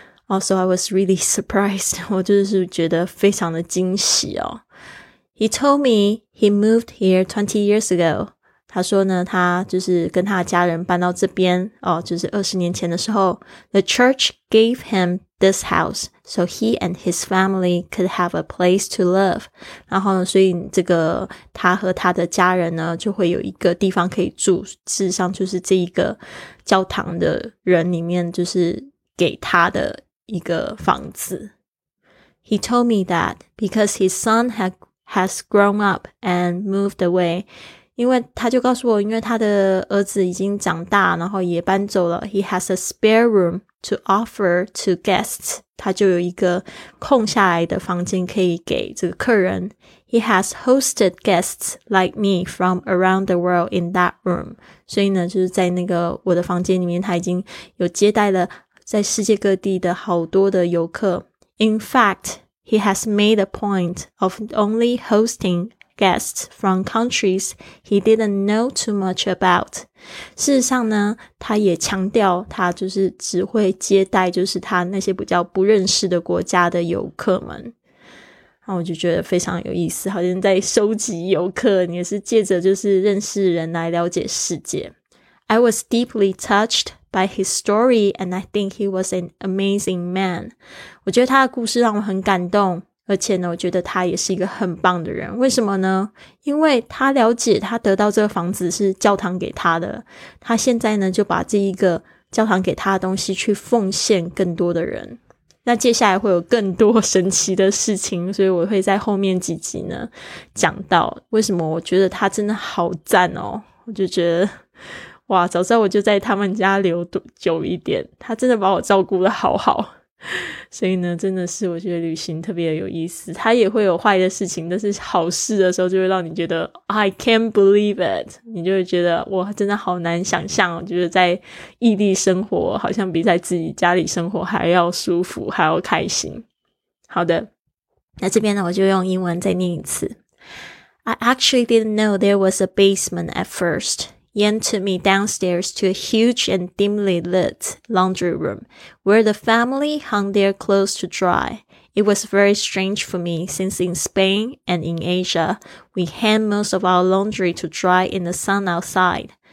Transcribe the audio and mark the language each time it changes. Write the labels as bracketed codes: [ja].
[en] Also, I was really surprised. [zh] 我就是觉得非常的惊喜哦。 [en] He told me he moved here 20 years ago. [zh] 他说呢，他就是跟他家人搬到这边哦，就是20年前的时候。 [en] The church gave him this house so he and his family could have a place to live. [zh] 然后呢，所以这个他和他的家人呢，就会有一个地方可以住。事实上，就是这一个教堂的人里面，就是给他的一个房子。 [en] He told me that because his son has grown up and moved away. [zh] 因为他就告诉我，因为他的儿子已经长大，然后也搬走了。 [en] He has a spare room to offer to guests. [zh] 他就有一个空下来的房间可以给这个客人。 [en] He has hosted guests like me from around the world in that room. [zh] 所以呢，就是在那个我的房间里面，他已经有接待了在世界各地的好多的游客。 [en] In fact, he has made a point of only hosting guests from countries he didn't know too much about. [zh] 事实上呢，他也强调他就是只会接待就是他那些比较不认识的国家的游客们。然后我就觉得非常有意思，好像在收集游客，你也是借着就是认识人来了解世界。 [en] I was deeply touched by his story, and I think he was an amazing man. [zh] 我觉得他的故事让我很感动，而且呢，我觉得他也是一个很棒的人。为什么呢？因为他了解他得到这个房子是教堂给他的，他现在呢就把这一个教堂给他的东西去奉献更多的人。那接下来会有更多神奇的事情，所以我会在后面几集呢讲到为什么我觉得他真的好赞哦。我就觉得哇，早知道我就在他们家留久一点，他真的把我照顾得好好。所以呢，真的是我觉得旅行特别有意思，它也会有坏的事情，但是好事的时候就会让你觉得 [en] I can't believe it， [zh] 你就会觉得哇，真的好难想象，就是在异地生活好像比在自己家里生活还要舒服还要开心。好的，那这边呢我就用英文再念一次。 [en] I actually didn't know there was a basement at firstYan took me downstairs to a huge and dimly lit laundry room, where the family hung their clothes to dry. It was very strange for me, since in Spain and in Asia, we hang most of our laundry to dry in the sun outside.